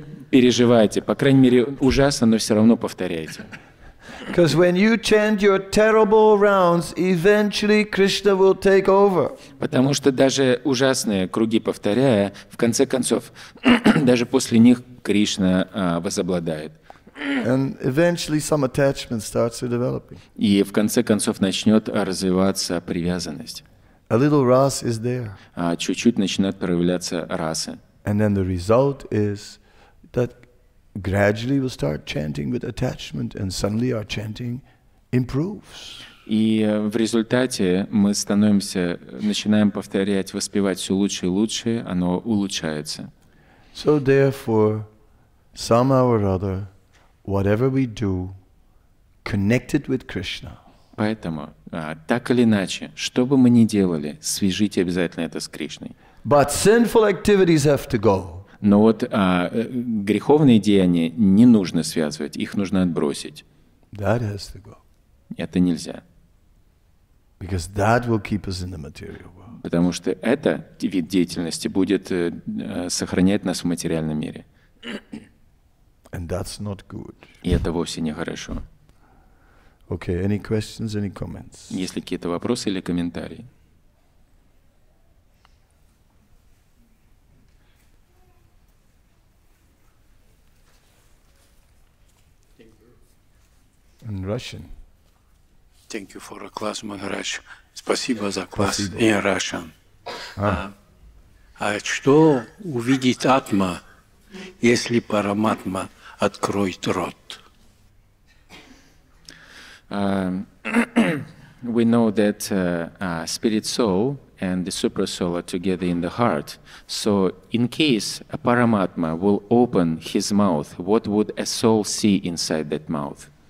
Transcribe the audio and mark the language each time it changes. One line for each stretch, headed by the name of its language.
Russian: Переживайте, по крайней мере, ужасно, но все равно повторяйте.
English: Because when you chant your terrible rounds, eventually Krishna will take over.
Russian: Потому что даже ужасные круги повторяя, в конце концов, даже после них Кришна возобладает.
English: And eventually some attachment starts developing.
Russian: И в конце концов начнет развиваться привязанность.
English: A little rasa is there.
Russian: Чуть-чуть начинает проявляться раса.
English: And then the result is that gradually we'll start chanting with attachment and suddenly our chanting improves.
Russian: И в результате мы начинаем повторять, воспевать все лучше и лучше, оно улучшается.
English: So therefore, somehow or other, whatever we do, connected with Krishna.
Russian: Поэтому, так или иначе, что бы мы ни делали, свяжите обязательно это с Кришной.
English: But sinful activities have to go.
Russian: Но вот греховные деяния не нужно связывать, их нужно отбросить.
English: That has to go.
Russian: Это нельзя.
English: Because that will keep us in the material world.
Russian: Потому что это вид деятельности будет сохранять нас в материальном мире.
English: And that's not good.
Russian: И это вовсе не хорошо.
English: Okay, any questions, any comments?
Russian: Есть ли какие-то вопросы или комментарии?
English: In Russian. Thank you for a class, Maharaj.
Russian: Спасибо за класс. Спасибо.
English: In Russian.
Russian: А что увидит атма, если параматма откроет рот?
English: We know that spirit soul and the super soul are together in the heart. So in case a paramatma will open his mouth, what would a soul see inside that mouth?